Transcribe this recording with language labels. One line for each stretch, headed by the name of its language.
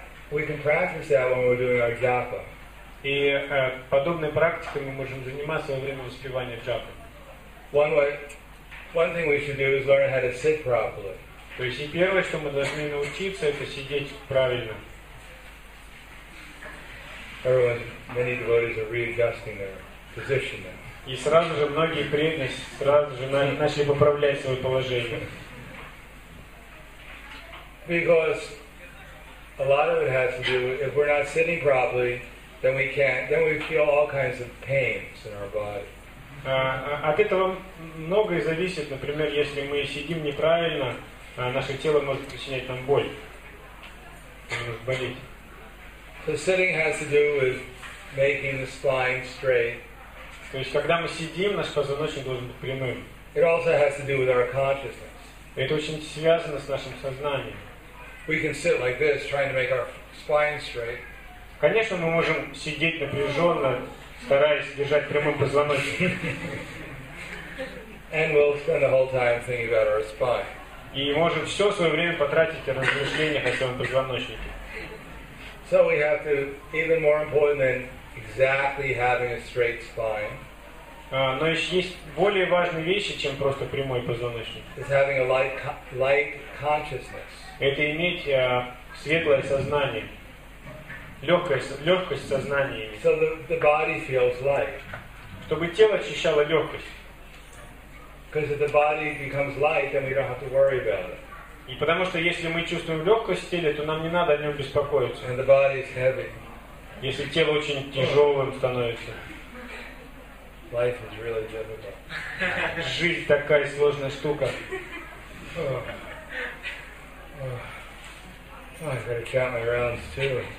English: We can practice that when we're doing our japa.
Russian: И подобной практикой мы можем заниматься во время воспевания джапы.
English: One thing we should do is learn how to sit properly.
Russian: То есть и первое, что мы должны научиться, это сидеть правильно.
English: Everyone, many devotees are readjusting their position now.
Russian: И сразу же многие преданные сразу же начали поправлять свое положение.
English: A lot of it has to do with if we're not sitting properly, then we can't. Then we feel all kinds of pains in our body.
Russian: От этого многое зависит. Например, если мы сидим неправильно, наше тело может причинять нам боль, может болеть.
English: So sitting has to do with making the spine straight.
Russian: То есть, когда мы сидим, наш позвоночник должен быть прямым.
English: It also has to do with our consciousness.
Russian: Это очень связано с нашим сознанием.
English: We can sit like this, trying to make our spine straight.
Russian: Конечно, мы можем сидеть напряженно, стараясь держать прямой позвоночник.
English: And we'll spend the whole time thinking about our spine.
Russian: И можем все свое время потратить на размышления о своем позвоночнике.
English: So we have to, even more important than exactly having a straight spine.
Russian: Но еще есть более важные вещи, чем просто прямой позвоночник.
English: Is having a light consciousness.
Russian: Это иметь светлое сознание, легкость сознания.
English: So the body feels light.
Russian: Чтобы тело ощущало легкость.
English: If the body becomes light, then we don't have to worry about it.
Russian: И потому что если мы чувствуем легкость в теле, то нам не надо о нем беспокоиться.
English: And the body is heavy.
Russian: Если тело очень тяжелым становится.
English: Life is really difficult.
Russian: Жизнь такая сложная штука.
English: Oh, I better count my rounds too.